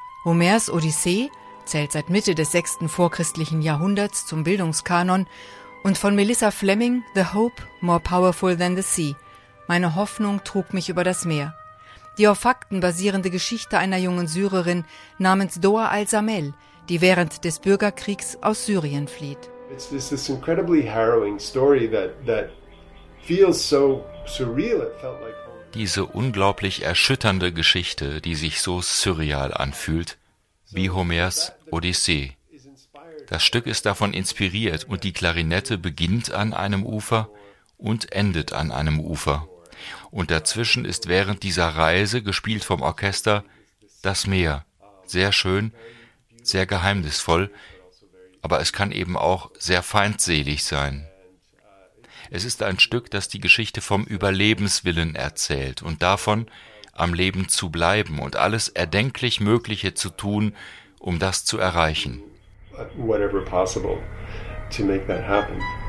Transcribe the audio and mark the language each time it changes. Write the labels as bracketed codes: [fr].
[de] Homers Odyssee zählt seit Mitte des 6. vorchristlichen Jahrhunderts zum Bildungskanon und von Melissa Fleming The Hope More Powerful Than the Sea. Meine Hoffnung trug mich über das Meer. Die auf Fakten basierende Geschichte einer jungen Syrerin namens Doa al-Samel, die während des Bürgerkriegs aus Syrien flieht. [en] It's this incredibly harrowing story that feels so surreal. It felt like [de] diese unglaublich erschütternde Geschichte, die sich so surreal anfühlt, wie Homers Odyssee. Das Stück ist davon inspiriert und die Klarinette beginnt an einem Ufer und endet an einem Ufer. Und dazwischen ist während dieser Reise, gespielt vom Orchester, das Meer. Sehr schön, sehr geheimnisvoll, aber es kann eben auch sehr feindselig sein. Es ist ein Stück, das die Geschichte vom Überlebenswillen erzählt und davon, am Leben zu bleiben und alles erdenklich Mögliche zu tun, um das zu erreichen. [en] Whatever possible to make that happen.